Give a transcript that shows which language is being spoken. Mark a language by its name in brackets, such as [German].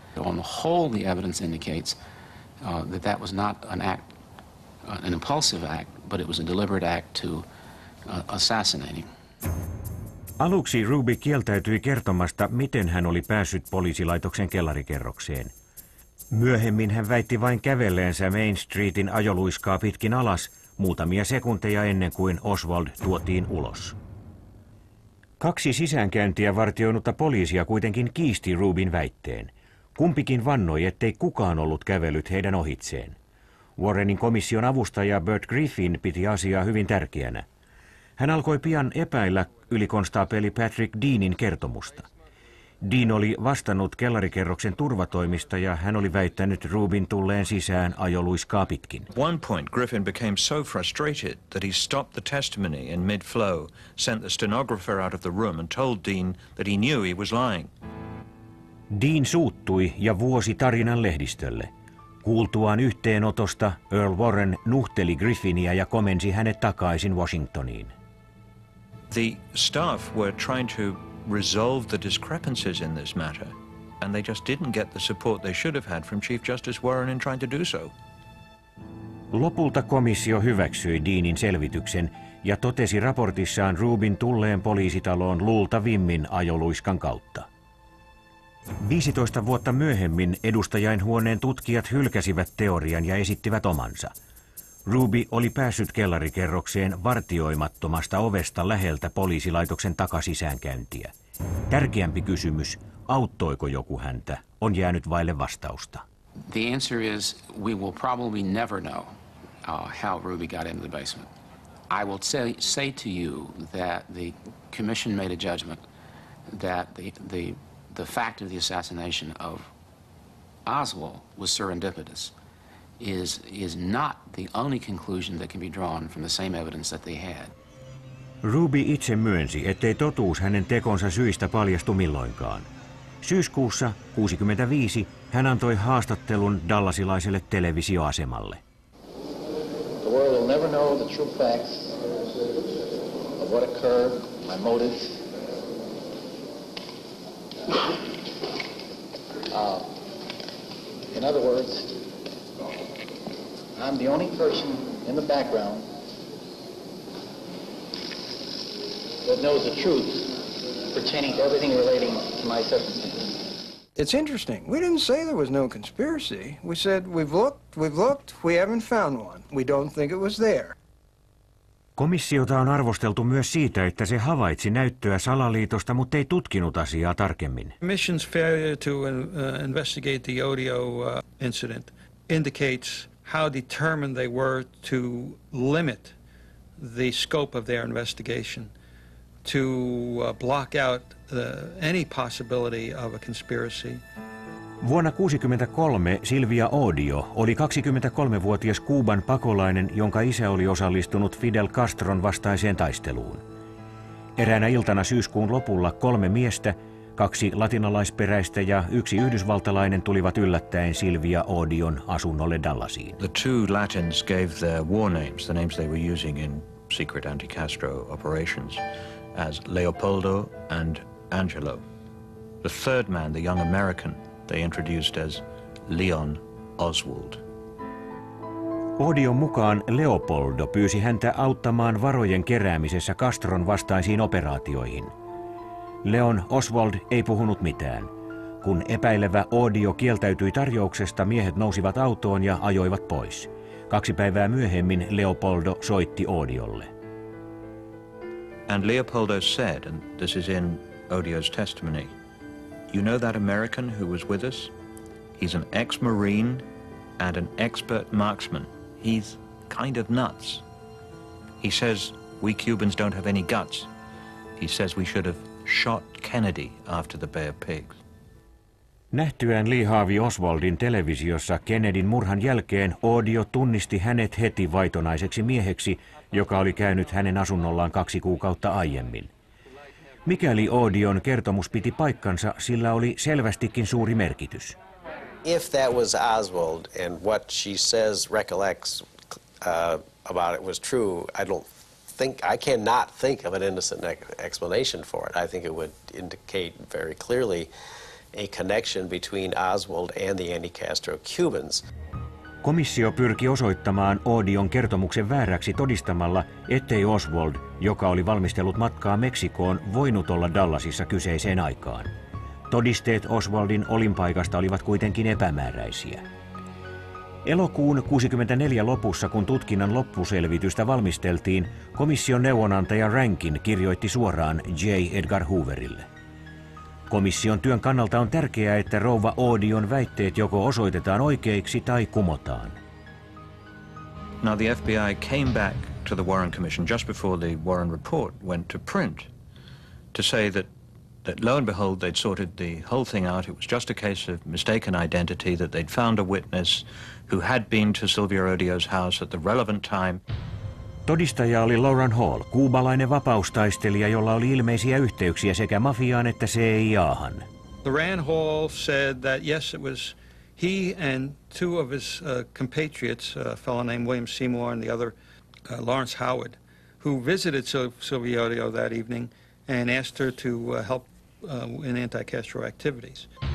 [English] On the whole, the evidence indicates that that was not an act, an impulsive act, but it was a deliberate act to assassinate him. [Finnish] Aluksi Ruby kieltäytyi kertomasta, miten hän oli päässyt poliisilaitoksen kellarikerrokseen. Myöhemmin hän väitti vain kävelleensä Main Streetin ajoluiskaa pitkin alas, muutamia sekunteja ennen kuin Oswald tuotiin ulos. Kaksi sisäänkäyntiä vartioinutta poliisia kuitenkin kiisti Rubin väitteen. Kumpikin vannoi, ettei kukaan ollut kävellyt heidän ohitseen. Warrenin komission avustaja Bert Griffin piti asiaa hyvin tärkeänä. Hän alkoi pian epäillä ylikonstaapeli Patrick Deanin kertomusta. Dean oli vastannut kellarikerroksen turvatoimista ja hän oli väittänyt Rubin tulleen sisään ajoluiskaa pitkin. [English] One point Griffin became so frustrated that he stopped the testimony in mid-flow, sent the stenographer out of the room and told Dean that he knew he was lying. [Finnish] Dean suuttui ja vuosi tarinan lehdistölle. Kuultuaan yhteenotosta Earl Warren nuhteli Griffinia ja komensi hänet takaisin Washingtoniin. [English] The staff were trying to resolve the discrepancies in this matter, and they just didn't get the support they should have had from Chief Justice Warren in trying to do so. [Finnish] Lopulta komissio hyväksyi Deanin selvityksen ja totesi raportissaan Rubin tulleen poliisitaloon luultavimmin ajoluiskan kautta. 15 vuotta myöhemmin edustajainhuoneen tutkijat hylkäsivät teorian ja esittivät omansa. Ruby oli päässyt kellarikerrokseen vartioimattomasta ovesta läheltä poliisilaitoksen takasisäänkäyntiä. Tärkeämpi kysymys, auttoiko joku häntä, on jäänyt vaille vastausta. [English] The answer is we will probably never know how Ruby got into the basement. I will say to you that the commission made a judgment that the fact of the assassination of Oswald was serendipitous. Is not the only conclusion that can be drawn from the same evidence that they had. [Finnish] Ruby itse myönsi, ettei totuus hänen tekonsa syistä paljastu milloinkaan. Syyskuussa 65 hän antoi haastattelun dallasilaiselle televisioasemalle. [English] The world will never know the true facts of what occurred, my motives. In other words, I'm the only person in the background that knows the truth pertaining to everything relating to my circumstances. It's interesting. We didn't say there was no conspiracy. We said we've looked, we haven't found one. We don't think it was there. [Finnish] Komissiota on arvosteltu myös siitä, että se havaitsi näyttöä salaliitosta, mutta ei tutkinut asiaa tarkemmin. [English] Commission's failure to investigate the Odio incident indicates how determined they were to limit the scope of their investigation, to block out any possibility of a conspiracy. [Finnish] Vuonna 1963 Silvia Odio oli 23-vuotias Kuuban pakolainen, jonka isä oli osallistunut Fidel Castron vastaiseen taisteluun. Eräänä iltana syyskuun lopulla kolme miestä, kaksi latinalaisperäistä ja yksi yhdysvaltalainen tulivat yllättäen Silvia Odion asunnolle Dallasiin. [English] The two Latins gave their war names, the names they were using in secret anti-Castro operations, as Leopoldo and Angelo. The third man, the young American, they introduced as Leon Oswald. [Finnish] Odion mukaan Leopoldo pyysi häntä auttamaan varojen keräämisessä Castron vastaisiin operaatioihin. Leon Oswald ei puhunut mitään. Kun epäilevä Odio kieltäytyi tarjouksesta, miehet nousivat autoon ja ajoivat pois. Kaksi päivää myöhemmin Leopoldo soitti Odiolle. [English] And Leopoldo said, and this is in Odio's testimony, you know that American who was with us? He's an ex-marine and an expert marksman. He's kind of nuts. He says we Cubans don't have any guts. He says we should have shot Kennedy after the Bay of Pigs. [Finnish] Nähtyään Lee Harvey Oswaldin televisiossa Kennedyn murhan jälkeen Odio tunnisti hänet heti vaitonaiseksi mieheksi, joka oli käynyt hänen asunnollaan kaksi kuukautta aiemmin. Mikäli Odion kertomus piti paikkansa, sillä oli selvästikin suuri merkitys. [English] If that was Oswald and what she says recollects about it was true, I cannot think of an innocent explanation for it. I think it would indicate very clearly a connection between Oswald and the anti-Castro Cubans. [Finnish] Komissio pyrki osoittamaan Odion kertomuksen vääräksi todistamalla, ettei Oswald, joka oli valmistellut matkaa Meksikoon, voinut olla Dallasissa kyseiseen aikaan. Todisteet Oswaldin olinpaikasta olivat kuitenkin epämääräisiä. Elokuun 1964 lopussa, kun tutkinnan loppuselvitystä valmisteltiin, komission neuvonantaja Rankin kirjoitti suoraan J. Edgar Hooverille. Komission työn kannalta on tärkeää, että rouva Odion väitteet joko osoitetaan oikeiksi tai kumotaan. [English] Now the FBI came back to the Warren Commission just before the Warren report went to print to say that lo and behold they'd sorted the whole thing out. It was just a case of mistaken identity, that they'd found a witness who had been to Silvio Odio's house at the relevant time. [Finnish] Todistaja oli Lauren Hall, kuubalainen vapaustaistelija, jolla oli ilmeisiä yhteyksiä sekä mafiaan että CIA:han. [English] Lauren Hall said that yes, it was he and two of his compatriots, a fellow named William Seymour and the other Lawrence Howard, who visited Silvio Odio that evening and asked her to help in anti-Castro activities.